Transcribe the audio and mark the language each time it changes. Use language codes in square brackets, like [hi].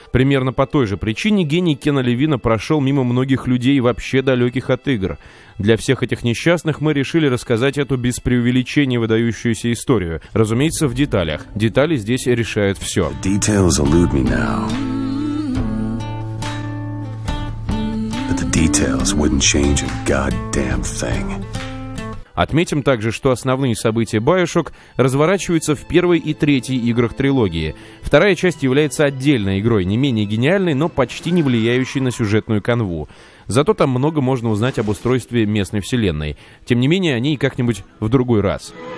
[ru] Примерно по той же причине гений Кена Левина прошел мимо многих людей, вообще далеких от игр. Для всех этих несчастных мы решили рассказать эту без преувеличения выдающуюся историю. Разумеется, в деталях. Детали здесь решают все. [en] Details elude me now. But the details wouldn't change a goddamn thing. [ru] Отметим также, что основные события BioShock разворачиваются в первой и третьей играх трилогии. Вторая часть является отдельной игрой, не менее гениальной, но почти не влияющей на сюжетную канву. Зато там много можно узнать об устройстве местной вселенной. Тем не менее, о ней как-нибудь в другой раз.